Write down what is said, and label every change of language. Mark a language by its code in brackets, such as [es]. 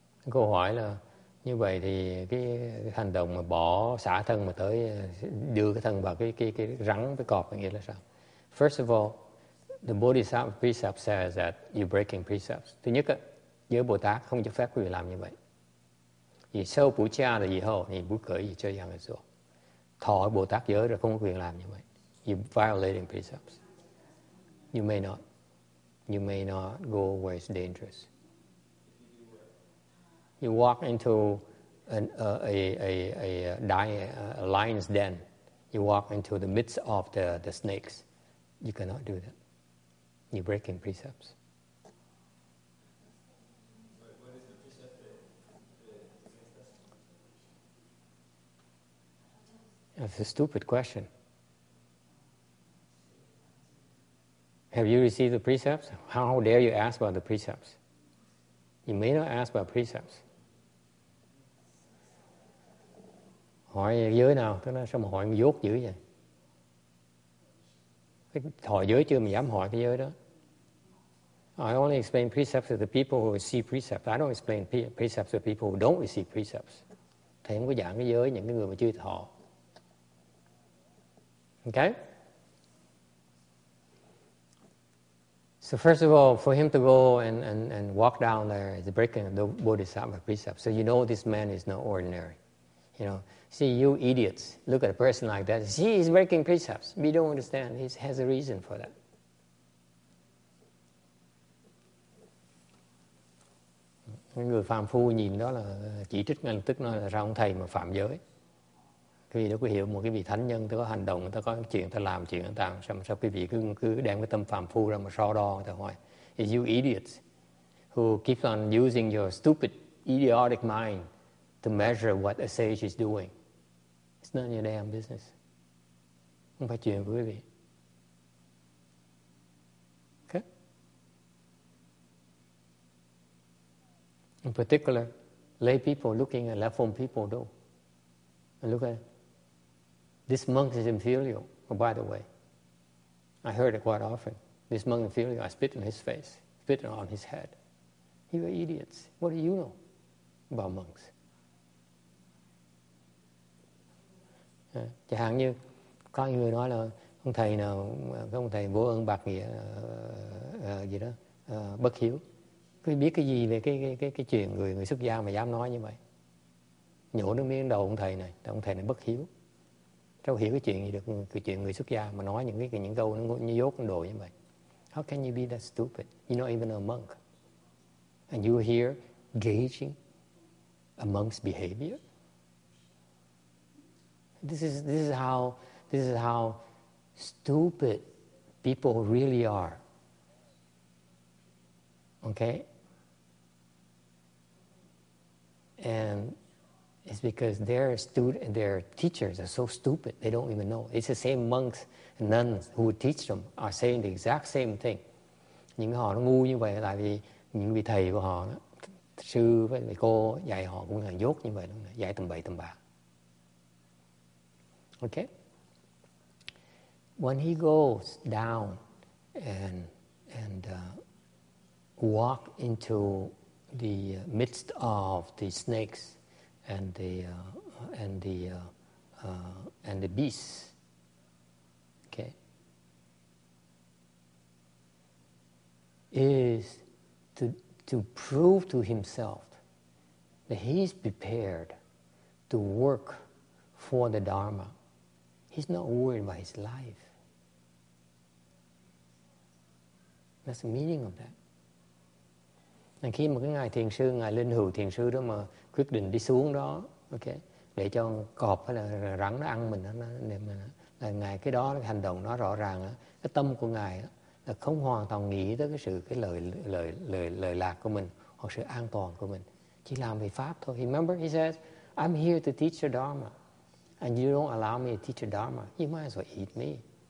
[vi] Câu hỏi là như vậy thì cái hành động mà bỏ xả thân mà tới đưa cái thân vào cái rắn cái cọp nghĩa là sao? [en] First of all, the Bodhisattva precept says that you're breaking precepts. [vi] Thứ nhất á, giới Bồ Tát không cho phép quý vị làm như vậy. Vì sâu phủ cha là gì hầu thì bút cởi gì chơi dạng là rồi. Thọ Bồ Tát giới rồi không có quyền làm như vậy. [en] You're violating precepts. You may not go where it's dangerous. You walk into a lion's den. You walk into the midst of the snakes. You cannot do that. You're breaking precepts. What is the precept? That's a stupid question. Have you received the precepts? How dare you ask about the precepts? You may not ask about precepts. [vi] Hỏi giới nào, tức là sao mà hỏi dốt dữ vậy? Cái thọ giới chưa mà dám hỏi cái giới đó. [en] I only explain precepts to the people who receive precepts. I don't explain precepts to people who don't receive precepts. [vi] Thầy không có giảng cái giới những cái người mà chưa thọ. [en] Okay? So first of all, for him to go and walk down there is breaking the Bodhisattva precepts. So you know this man is not ordinary. You know, see, you idiots, look at a person like that. See, he's breaking precepts. We don't understand. He has a reason for that. [vi] Người phàm phu nhìn đó là chỉ trích ngay lập tức nói là ra ông thầy mà phạm giới. Quý vị đâu có hiểu một cái vị thánh nhân, ta có hành động, ta có chuyện, ta làm chuyện, ta làm sao, sao quý vị cứ đem cái tâm phàm phu ra mà so đo, ta hỏi. [en] It's you idiots who keep on using your stupid, idiotic mind to measure what a sage is doing. It's not your damn business. [vi] Không phải chuyện của quý vị. [en] Okay? In particular, lay people looking at left home people do. And look at it. This monk is inferior. Oh, by the way, I heard it quite often. This monk is inferior. I spit in his face, spit on his head. You are idiots. What do you know about monks? [vi] Chẳng hạn như có người nói là ông thầy nào cái ông thầy vô ơn bạc nghĩa gì đó bất hiếu, có biết cái gì về cái chuyện người xuất gia mà dám nói như vậy, nhổ nước miếng đầu ông thầy này bất hiếu, đâu hiểu cái chuyện gì được, cái chuyện người xuất gia mà nói những câu nó như dốt đồ như vậy. [en] How can you be that stupid? You're not even a monk and you're here gauging a monk's behavior. This is how stupid people really are. Okay? And it's because their teachers are so stupid, they don't even know. It's the same monks and nuns who would teach them are saying the exact same thing. [vi] Những họ nó ngu như vậy tại vì những vị thầy của họ, sư với cô dạy họ cũng là dốt như vậy, dạy tầm bậy tầm bạ. [en] Okay. When he goes down and walk into the midst of the snakes and the beasts. Okay. Is to prove to himself that he's prepared to work for the Dharma. He's not worried about his life. That's the meaning of that. [vi] And khi mà cái ngài thiền sư, ngài linh hữu thiền sư đó mà quyết định đi xuống đó, okay, để cho cọp hay là rắn nó ăn mình, là ngài cái đó, cái hành động nó rõ ràng, cái tâm của ngài là không hoàn toàn nghĩ tới cái sự cái lợi lạc của mình hoặc sự an toàn của mình, chỉ làm vì pháp thôi. [en] Remember, he says, "I'm here to teach the Dharma." and you don't allow me to teach a Dharma, you might as well eat me.